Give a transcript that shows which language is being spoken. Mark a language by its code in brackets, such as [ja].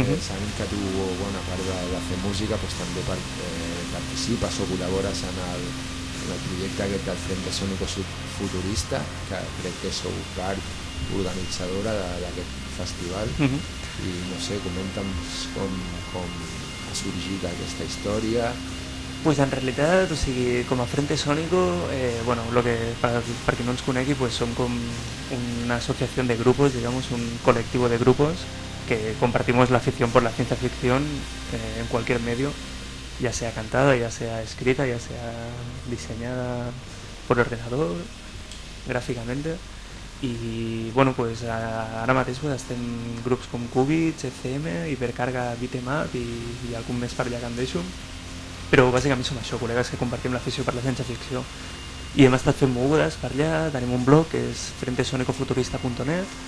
[ca] Sabem que tu, bueno, a part de fer música, pues, també participes o col·labores en el projecte aquest del Frente Sónico Futurista, que crec que sou part organitzadora d'aquest festival. Uh-huh. I no sé, comenta'm com ha sorgit aquesta història. Pues en realitat, o sigui, com a Frente Sónico, bueno, lo que per qui no ens conegui, pues som com una associació de grups, [es] digamos, un col·lectiu de grups que compartimos la afición por la ciencia ficción en cualquier medio, ya sea cantada, ya sea escrita, ya sea diseñada por ordenador, gráficamente. Y bueno, pues ahora [ca] mateix pues estem grups com Cubits, ECM, Hipercarga, Bitmap i algun més per allà que em deixo. Però bàsicament som això, col·legues que compartim l'afició per la ciència ficció. I hem estat fent mogudes per allà, tenim un blog que és frentesonicofuturista.net.